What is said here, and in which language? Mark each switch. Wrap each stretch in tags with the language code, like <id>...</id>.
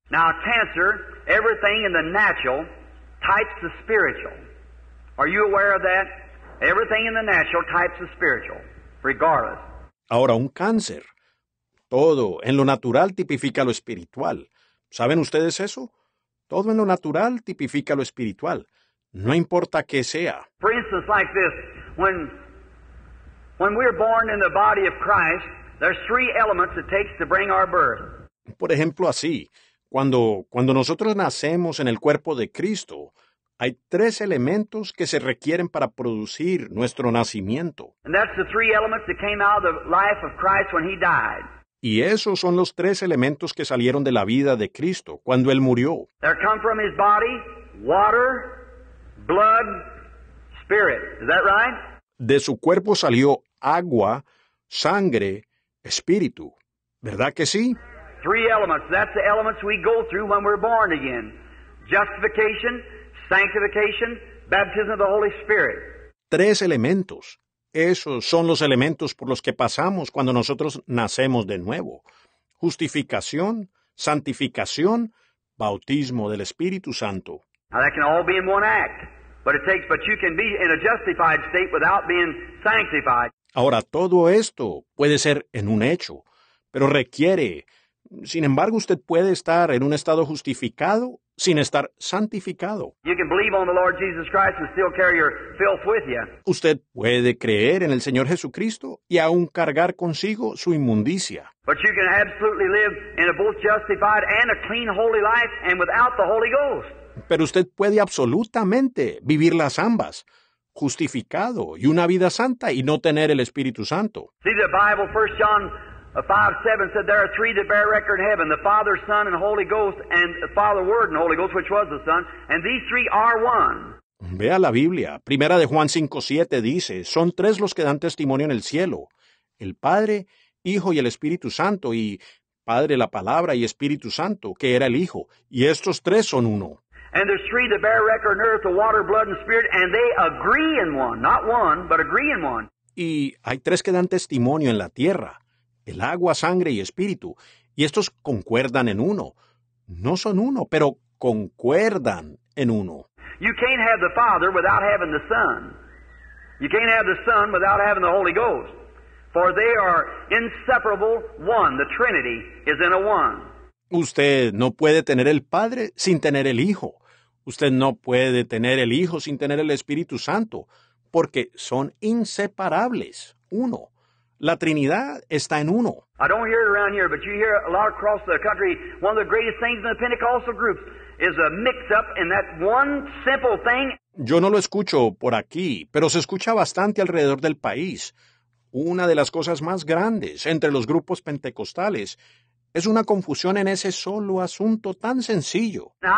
<en>Now cancer, everything in the natural types the spiritual. Are you aware of that? Everything in the natural types the spiritual, regardless.</en> <es>Ahora un cáncer, todo en lo natural tipifica lo espiritual. ¿Saben ustedes eso? Todo en lo natural tipifica lo espiritual. No importa qué sea.</es> <en>For instance, like this, when we're born in the body of Christ, there's three elements it takes to bring our birth.</en> <es>Por ejemplo, así, cuando nosotros nacemos en el cuerpo de Cristo, hay tres elementos que se requieren para producir nuestro nacimiento.</es> <en>And that's the three elements that came out of the life of Christ when he died.</en> <es>Y esos son los tres elementos que salieron de la vida de Cristo cuando él murió.</es> <en>They come from his body, water, blood, spirit. Is that right?</en> <es>De su cuerpo salió agua, sangre, espíritu. ¿Verdad que sí?</es> <en>Three elements. That's the elements we go through when we're born again. Justification, sanctification, baptism of the Holy Spirit.</en> <es>Tres elementos. Esos son los elementos por los que pasamos cuando nosotros nacemos de nuevo. Justificación, santificación, bautismo del Espíritu Santo.</es> <en>Now that can all be in one act. But you can be in a justified state without being sanctified.</en> <es>Ahora, todo esto puede ser en un hecho, pero requiere, sin embargo, usted puede estar en un estado justificado sin estar santificado.</es> <en>You can believe on the Lord Jesus Christ and still carry your filth with you.</en> <es>Usted puede creer en el Señor Jesucristo y aún cargar consigo su inmundicia.</es> <en>But you can absolutely live in a both justified and a clean, holy life and without the Holy Ghost.</en> <es>Pero usted puede absolutamente vivir las ambas, justificado y una vida santa y no tener el Espíritu Santo.</es> <en>See the Bible, 1 John 5:7 said there are three that bear record in heaven, the Father, Son, and Holy Ghost, and the Father, Word, and Holy Ghost, which was the Son, and these three are one.</en> <es>Vea la Biblia, 1 Juan 5:7 dice, son tres los que dan testimonio en el cielo, el Padre, Hijo y el Espíritu Santo, y Padre, la Palabra y Espíritu Santo, que era el Hijo, y estos tres son uno.</es> <en>And there's three that bear record on earth, the water, blood, and spirit, and they agree in one. Not one, but agree in one.</en> <es>Y hay tres que dan testimonio en la tierra, el agua, sangre y espíritu, y estos concuerdan en uno. No son uno, pero concuerdan en uno.</es> <en>You can't have the Father without having the Son. You can't have the Son without having the Holy Ghost. For they are inseparable one. The Trinity is in a one.</en> <es>Usted no puede tener el Padre sin tener el Hijo. Usted no puede tener el Hijo sin tener el Espíritu Santo, porque son inseparables, uno. La Trinidad está en uno.</es> <en>I don't hear it around here, but you hear a lot across the country. One of the greatest things in the Pentecostal groups is a mix-up in that one simple thing.</en> <es>Yo no lo escucho por aquí, pero se escucha bastante alrededor del país. Una de las cosas más grandes entre los grupos pentecostales es una confusión en ese solo asunto tan sencillo.</es>